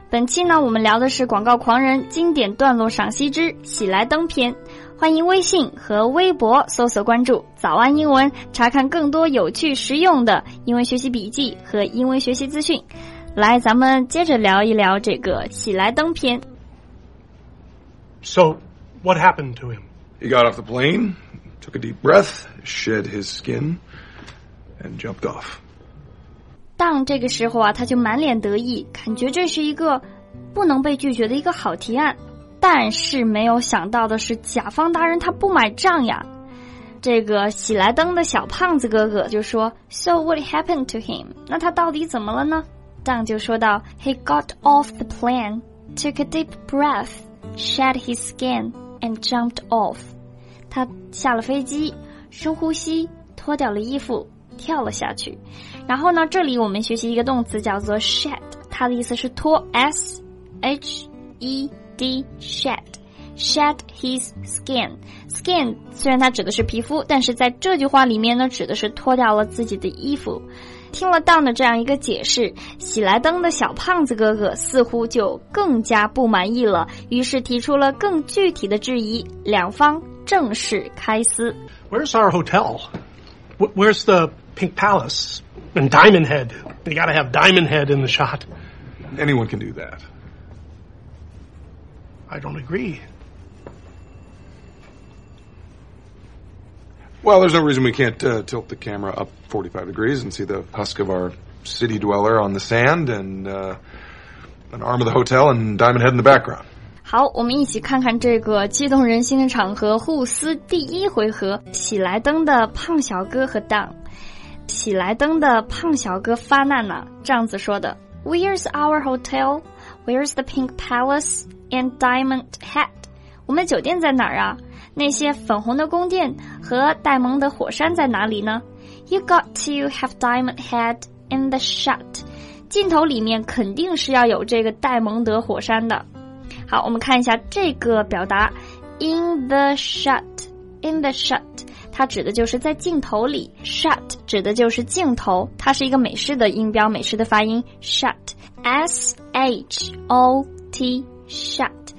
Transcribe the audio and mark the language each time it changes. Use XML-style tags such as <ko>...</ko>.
<zh>本期呢我们聊的是广告狂人经典段落赏析之喜来登篇，欢迎微信和微博搜索关注早安英文，查看更多有趣实用的英文学习笔记和英文学习资讯。来，咱们接着聊一聊这个喜来登篇。</zh> <en>So, what happened to him? He got off the plane, took a deep breath, shed his skin, and jumped off.</en> <zh>当这个时候啊，他就满脸得意，感觉这是一个不能被拒绝的一个好提案。但是没有想到的是，甲方大人他不买账呀。这个喜来登的小胖子哥哥就说</zh> <en>So what happened to him?</en> <zh>那他到底怎么了呢？当就说到</zh> <en>He got off the plane, took a deep breath, shed his skin, and jumped off.</en> <zh>他下了飞机，深呼吸，脱掉了衣服，跳了下去。然后呢，这里我们学习一个动词叫做 shed， 它的意思是脱 ,shed,</zh> <en>shed his skin.</en> <zh>Skin 虽然它指的是皮肤，但是在这句话里面呢，指的是脱掉了自己的衣服。听了当的这样一个解释，喜来登的小胖子哥哥似乎就更加不满意了，于是提出了更具体的质疑，两方正式开撕。</zh> <en>Where's our hotel? Where's the Pink Palace? And Diamond Head? You gotta have Diamond Head in the shot. Anyone can do that. I don't agree. Well, there's no reason we can't, tilt the camera up 45 degrees and see the husk of our city dweller on the sand and, an arm of the hotel and Diamond Head in the background.</en> <zh>好，我们一起看看这个激动人心的场合，互撕第一回合，喜来登的胖小哥和当。喜来登的胖小哥发难了，这样子说的</zh> <en>Where's our hotel? Where's the Pink Palace and Diamond Head?</en> <zh>我们的酒店在哪儿啊？那些粉红的宫殿和戴蒙的火山在哪里呢？</zh> <en>You got to have Diamond Head in the shot.</en> <zh>镜头里面肯定是要有这个戴蒙德火山的。好，我们看一下这个表达</zh> <en>in the shot, in the shot，</en> <zh>它指的就是在镜头里， shot 指的就是镜头，它是一个美式的音标，美式的发音 shot, S-H-O-T, shot。</zh>